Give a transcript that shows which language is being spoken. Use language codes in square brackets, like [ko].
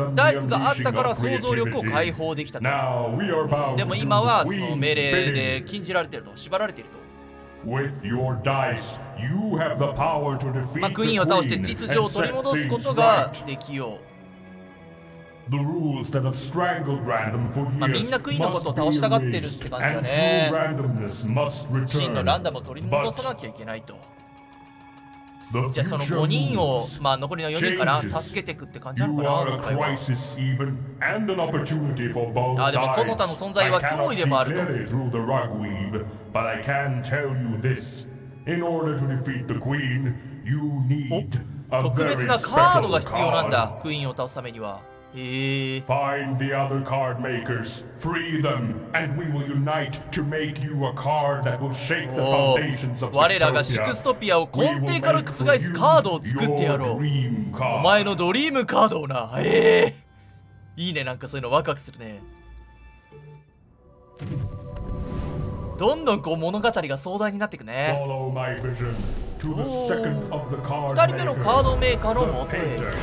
[ja] ダイスがあったから想像力を解放できたと。でも今はその命令で禁じられていると、縛られていると。 [en] With your dice, you have the power to defeat [ja] クイーンを倒して秩序を取り戻すことができよう。 [en] The rules that have strangled random for years, [ja] みんなクイーンのことを倒したがってるって感じだね。真のランダムを取り戻さなきゃいけないと。じゃあその5人を、まあ残りの4人から助けていくって感じなのかな、今回は。あ、でもその他の存在は脅威でもあると。 [en] But I can tell you this. In order to defeat the queen, you need a very special card. [ja] 特別なカードが必要なんだ、クイーンを倒すためには。 [en] Find the other card makers, free them, and we will unite to make you a card that will shake the foundations of Sixtopia. [ja] 我らがシクストピアを根底から覆すカードを作ってやろう。お前のドリームカードをな。いいね、なんかそういうのワクワクするね。どんどんこう物語が壮大になっていくね。2人目のカードメーカーのモテ